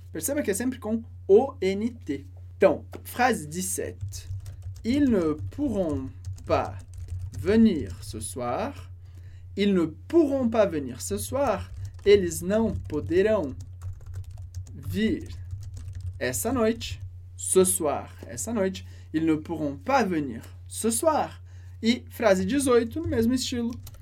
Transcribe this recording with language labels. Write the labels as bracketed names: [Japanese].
[Portuguese] Perceba que é sempre com O-N-T. Então, phrase 17. [French] Ils ne pourront pas venir ce soir. Ils ne pourront pas venir ce soir. [Portuguese] Eles não poderão vir essa noite. [French] Ce soir, [Portuguese] essa noite. [French] Ils ne pourront pas venir ce soir. [Portuguese] E phrase 18, no mesmo estilo.